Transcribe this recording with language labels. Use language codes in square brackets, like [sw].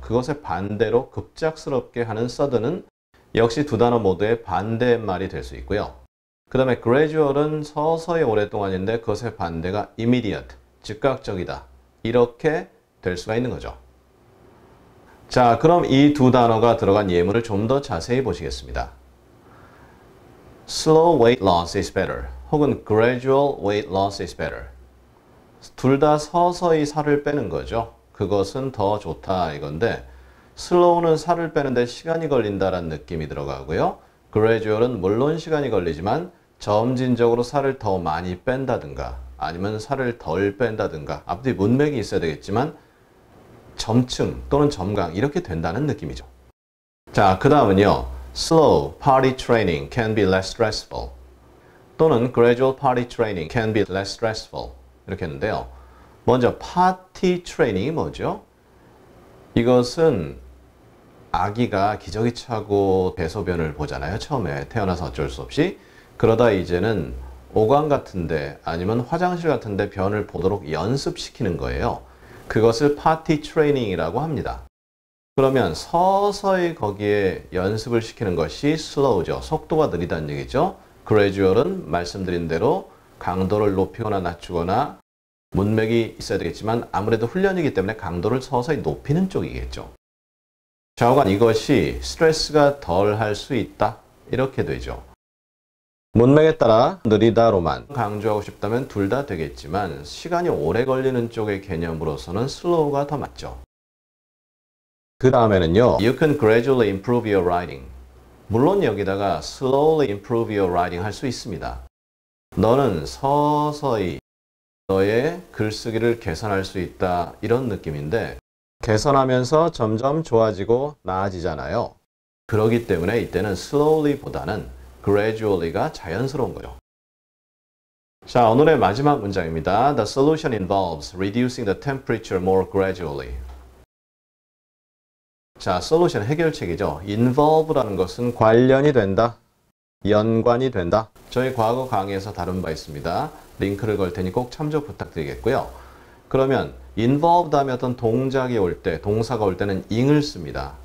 [ko] 그것의 반대로 급작스럽게 하는 sudden은 역시 두 단어 모두의 반대말이 될 수 있고요. 그 다음에 gradual은 서서히 오랫동안인데 그것의 반대가 immediate, 즉각적이다. 이렇게 될 수가 있는 거죠. 자, 그럼 이 두 단어가 들어간 예문을 좀 더 자세히 보시겠습니다. [en] Slow weight loss is better 혹은 gradual weight loss is better. [ko] 둘 다 서서히 살을 빼는 거죠. 그것은 더 좋다 이건데 slow는 살을 빼는데 시간이 걸린다라는 느낌이 들어가고요. Gradual은 물론 시간이 걸리지만 점진적으로 살을 더 많이 뺀다든가 아니면 살을 덜 뺀다든가 앞뒤 문맥이 있어야 되겠지만 점층 또는 점강 이렇게 된다는 느낌이죠. 자, 그 다음은요. [en] Slow party training can be less stressful 또는 gradual party training can be less stressful [ko] 이렇게 했는데요. 먼저 파티 트레이닝이 뭐죠? 이것은 아기가 기저귀 차고 배소변을 보잖아요. 처음에 태어나서 어쩔 수 없이. 그러다 이제는 오관 같은데 아니면 화장실 같은데 변을 보도록 연습시키는 거예요. 그것을 파티 트레이닝이라고 합니다. 그러면 서서히 거기에 연습을 시키는 것이 슬로우죠. 속도가 느리다는 얘기죠. Gradual은 말씀드린 대로 강도를 높이거나 낮추거나 문맥이 있어야 되겠지만 아무래도 훈련이기 때문에 강도를 서서히 높이는 쪽이겠죠. 좌우간 이것이 스트레스가 덜 할 수 있다. 이렇게 되죠. 문맥에 따라 느리다로만 강조하고 싶다면 둘 다 되겠지만 시간이 오래 걸리는 쪽의 개념으로서는 슬로우가 더 맞죠. 그 다음에는요. [en] You can gradually improve your writing. [ko] 물론 여기다가 [en] slowly improve your writing [ko] 할 수 있습니다. 너는 서서히 너의 글쓰기를 개선할 수 있다. 이런 느낌인데 개선하면서 점점 좋아지고 나아지잖아요. 그러기 때문에 이때는 slowly보다는 gradually가 자연스러운 거죠. 자, 오늘의 마지막 문장입니다. [en] The solution involves reducing the temperature more gradually. [ko] 자, solution 해결책이죠. involve라는 것은 관련이 된다. 연관이 된다. 저희 과거 강의에서 다룬 바 있습니다. 링크를 걸 테니 꼭 참조 부탁드리겠고요. 그러면 involved 하면 어떤 동작이 올 때, 동사가 올 때는 ing을 씁니다.